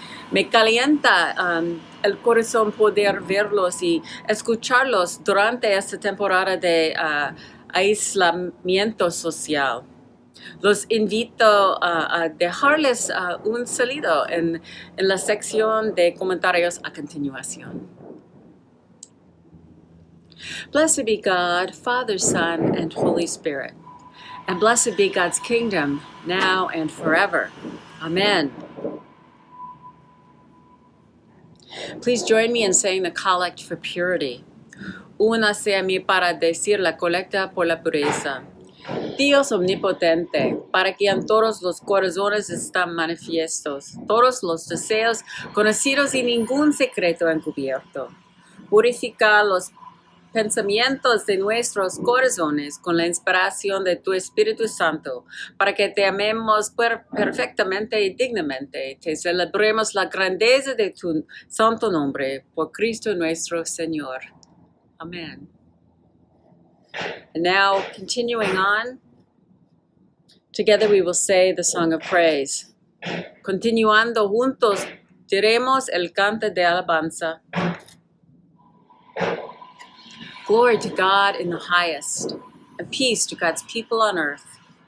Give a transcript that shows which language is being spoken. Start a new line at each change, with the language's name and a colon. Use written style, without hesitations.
Spanish: Me calienta el corazón poder verlos y escucharlos durante esta temporada de aislamiento social. Los invito a dejarles un saludo en la sección de comentarios a continuación.
English: Blessed be God, Father, Son, and Holy Spirit, and blessed be God's kingdom, now and forever. Amen. Please join me in saying the Collect for Purity.
Spanish: Únase a mí para decir la colecta por la pureza. Dios omnipotente, para quien todos los corazones están manifiestos, todos los deseos conocidos y ningún secreto encubierto. Purifica los pensamientos de nuestros corazones con la inspiración de tu Espíritu Santo, para que te amemos perfectamente y dignamente, te celebremos la grandeza de tu santo nombre, por Cristo nuestro Señor.
English: Amen. And now, continuing on, together we will say the song of praise.
Spanish: Continuando juntos, diremos el canto de alabanza.
English: Glory to God in the highest, and peace to God's people on earth.